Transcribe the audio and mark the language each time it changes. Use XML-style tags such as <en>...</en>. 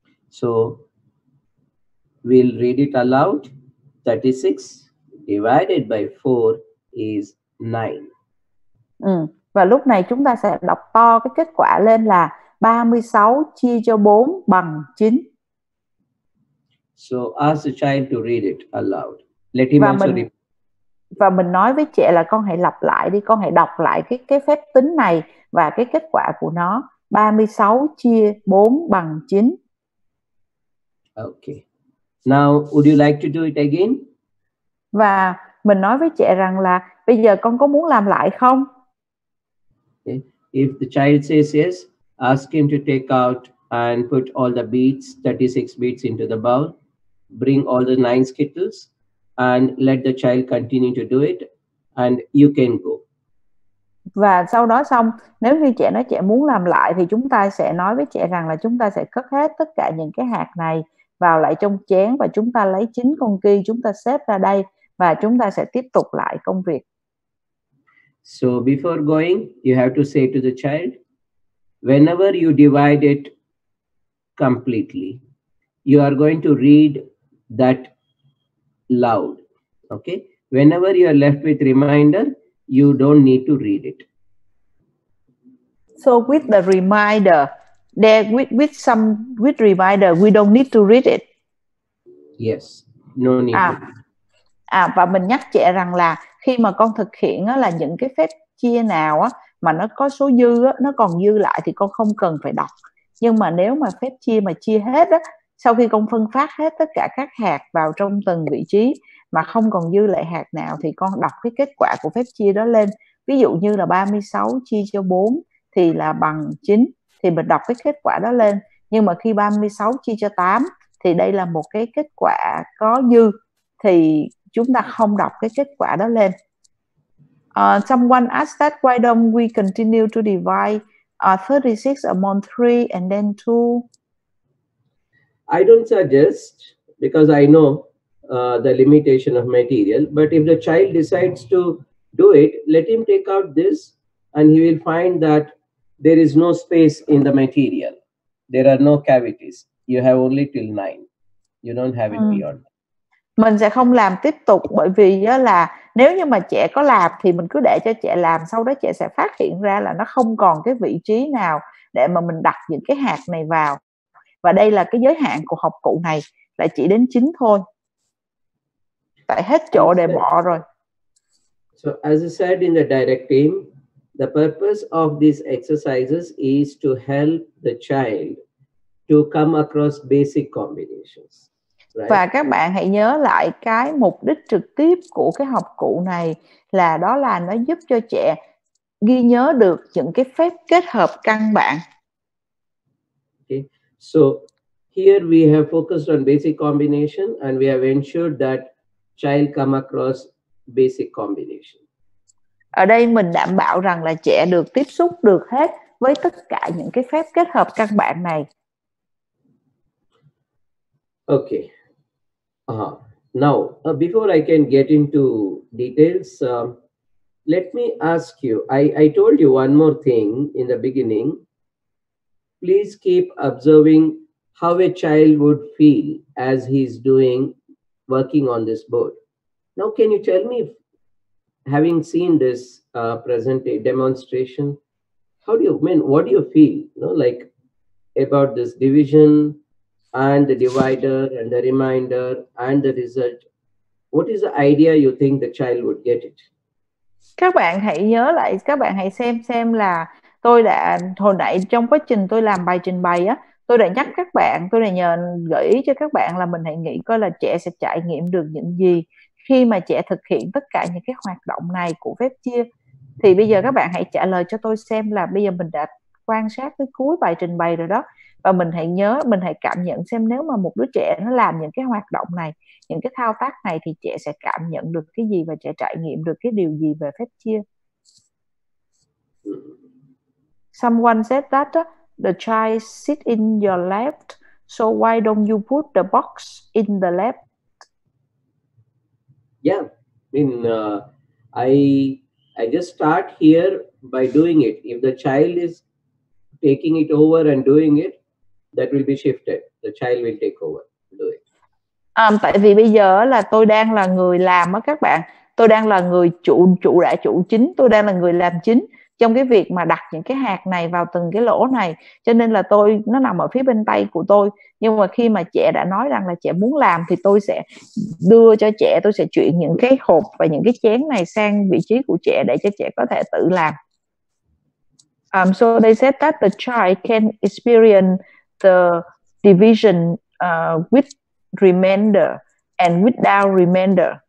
<en>So we'll read it aloud. 36 divided by 4 is 9.</en> <vi>Ừ, và lúc này chúng ta sẽ đọc to cái kết quả lên là 36 chia cho 4 bằng 9.</vi> <en>So ask the child to read it aloud. Let him also repeat.</en> <vi>Và mình nói với trẻ là con hãy lặp lại đi, con hãy đọc lại cái phép tính này và cái kết quả của nó. 36 chia 4 bằng 9.</vi> <en>Okay. Now, would you like to do it again?</en> <vi>Và mình nói với trẻ rằng là bây giờ con có muốn làm lại không?</vi> <en>Okay. If the child says yes, ask him to take out and put all the beads, 36 beads into the bowl. Bring all the 9 skittles. And let the child continue to do it and you can go.</en> <vi>Và sau đó xong, nếu như trẻ nói trẻ muốn làm lại thì chúng ta sẽ nói với trẻ rằng là chúng ta sẽ cất hết tất cả những cái hạt này vào lại trong chén và chúng ta lấy 9 con kia chúng ta xếp ra đây và chúng ta sẽ tiếp tục lại công việc.</vi> <en>So before going, you have to say to the child, whenever you divide it completely, you are going to read that loud. Okay. Whenever you are left with reminder, you don't need to read it. So with the reminder, with reminder, we don't need to read it. Yes. No need.</en> <vi>Và mình nhắc trẻ rằng là khi mà con thực hiện á, là những cái phép chia nào á, mà nó có số dư á, nó còn dư lại thì con không cần phải đọc. Nhưng mà nếu mà phép chia mà chia hết á, sau khi con phân phát hết tất cả các hạt vào trong từng vị trí mà không còn dư lại hạt nào thì con đọc cái kết quả của phép chia đó lên. Ví dụ như là 36 chia cho 4 thì là bằng 9. Thì mình đọc cái kết quả đó lên. Nhưng mà khi 36 chia cho 8 thì đây là một cái kết quả có dư. Thì chúng ta không đọc cái kết quả đó lên.</vi> <en>Someone asked that why don't we continue to divide 36 among 3 and then 2? I don't suggest because I know the limitation of material, but if the child decides to do it, let him take out this and he will find that there is no space in the material. There are no cavities. You have only till 9. You don't have it beyond.</en> <vi>Mình sẽ không làm tiếp tục bởi vì là nếu như mà trẻ có làm thì mình cứ để cho trẻ làm, sau đó trẻ sẽ phát hiện ra là nó không còn cái vị trí nào để mà mình đặt những cái hạt này vào. Và đây là cái giới hạn của học cụ này, là chỉ đến 9 thôi. Tại hết chỗ để bỏ rồi.</vi> <en>So as I said in the directive, the purpose of these exercises is to help the child to come across basic combinations. Right.</en> <vi>Và các bạn hãy nhớ lại cái mục đích trực tiếp của cái học cụ này là đó là nó giúp cho trẻ ghi nhớ được những cái phép kết hợp căn bản.</vi> <en>Okay. So here we have focused on basic combination and we have ensured that child come across basic combination.</en> <vi>Ở đây mình đảm bảo rằng là trẻ được tiếp xúc được hết với tất cả những cái phép kết hợp căn bản này.</vi> <en>Okay. Now, before I can get into details, let me ask you, I told you one more thing in the beginning. Please keep observing how a child would feel as he's doing, working on this board. Now, can you tell me, having seen this present demonstration, how do you, I mean, what do you feel, you know, like about this division and the divider and the reminder and the result? What is the idea you think the child would get it?</en> <vi>Các bạn hãy nhớ lại, các bạn hãy xem là tôi đã hồi nãy trong quá trình tôi làm bài trình bày á, tôi đã nhắc các bạn, tôi đã nhờ gợi ý cho các bạn là mình hãy nghĩ coi là trẻ sẽ trải nghiệm được những gì khi mà trẻ thực hiện tất cả những cái hoạt động này của phép chia. Thì bây giờ các bạn hãy trả lời cho tôi xem là bây giờ mình đã quan sát tới cuối bài trình bày rồi đó, và mình hãy nhớ, mình hãy cảm nhận xem nếu mà một đứa trẻ nó làm những cái hoạt động này, những cái thao tác này, thì trẻ sẽ cảm nhận được cái gì và trẻ trải nghiệm được cái điều gì về phép chia.</vi> <en>Someone said that the child sit in your left, so why don't you put the box in the left? Yeah, in I just start here by doing it. If the child is taking it over and doing it, that will be shifted. The child will take over, do it.</en> <vi>Tại vì bây giờ là tôi đang là người làm á các bạn. Tôi đang là người chủ chính, tôi đang là người làm chính trong cái việc mà đặt những cái hạt này vào từng cái lỗ này. Cho nên là tôi, nó nằm ở phía bên tay của tôi. Nhưng mà khi mà trẻ đã nói rằng là trẻ muốn làm thì tôi sẽ đưa cho trẻ, tôi sẽ chuyển những cái hộp và những cái chén này sang vị trí của trẻ để cho trẻ có thể tự làm.</vi> <en>So they said that the child can experience the division with remainder and without remainder.</en>